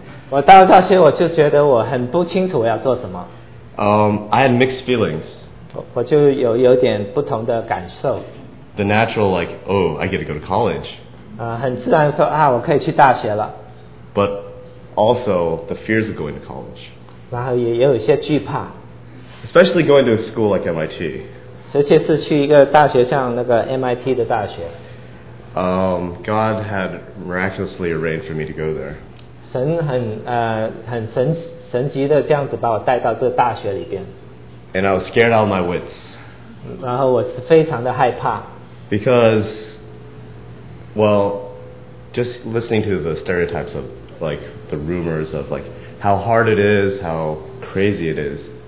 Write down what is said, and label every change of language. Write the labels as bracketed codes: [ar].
[zh] 我到大学我就觉得我很不清楚我要做什么。 [en] I had mixed feelings. [zh] 我就有点不同的感受。 [en] The natural, like, oh, I get to go to college. [zh] 很自然说啊，我可以去大学了。 [en] But also the fears of going to college. [zh] 然后也有一些惧怕。 [en] Especially going to a school like MIT. [zh] 而且是去一个大学，像那个 MIT 的大学。 [en] God had miraculously arranged for me to go there. [zh] 神很神奇的这样子把我带到这大学里边。 [en] And I was scared out of my wits. [zh] 然后我是非常的害怕。 [en] Because, well, just listening to the stereotypes of like the rumors of like how hard it is, how crazy it is.